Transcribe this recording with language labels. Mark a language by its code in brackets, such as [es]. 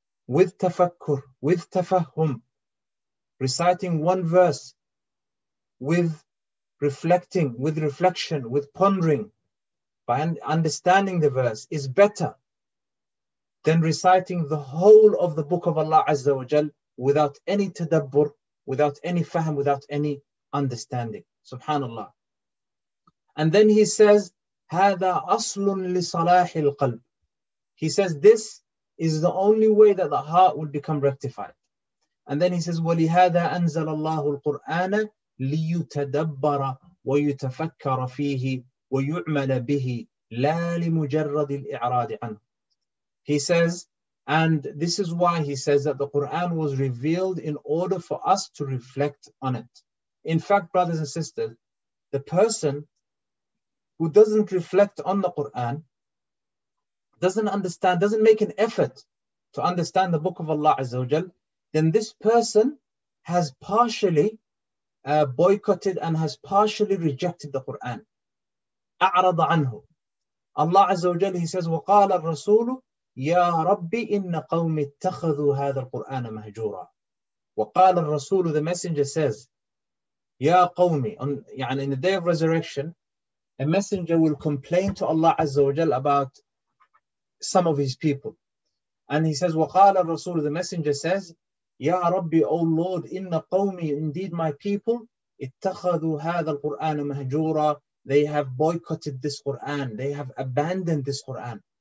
[en] with tafakkur, with tafahum, reciting one verse with reflecting, with reflection, with pondering, by understanding the verse, is better than reciting the whole of the book of Allah Azza wa Jal without any tadabbur, without any fahm, without any understanding. Subhanallah. And then he says, [ar] هذا أصل لصلاح القلب. [en] He says, this is the only way that the heart will become rectified. And then he says, [ar] ولهذا أنزل الله القرآن ليتدبر ويتفكر فيه ويعمل به لا لمجرد الإعراض عنه. [en] He says, and this is why he says that the Quran was revealed in order for us to reflect on it. In fact, brothers and sisters, the person who doesn't reflect on the Quran, doesn't understand, doesn't make an effort to understand the book of Allah Azza wa Jal, then this person has partially boycotted and has partially rejected the Quran. [ar] أعرض عنه. Allah Azza wa Jal, [en] he says, [ar] وقال الرسول يا ربي إن قومي اتخذوا هذا القرآن مهجورا. وقال الرسول, [en] the messenger says, [ar] يا قومي, [en] يعني in the day of resurrection, a messenger will complain to Allah Azza wa Jal about some of his people. And he says, [ar] وَقَالَ الرَّسُولُ, [en] the messenger says, [ar] يَا رَبِّ, [en] O Lord, [ar] إِنَّ قَوْمِي, [en] indeed my people, [ar] اتَّخَذُوا هَذَا الْقُرْآنَ مَهْجُورًا, [en] they have boycotted this Qur'an, they have abandoned this Qur'an.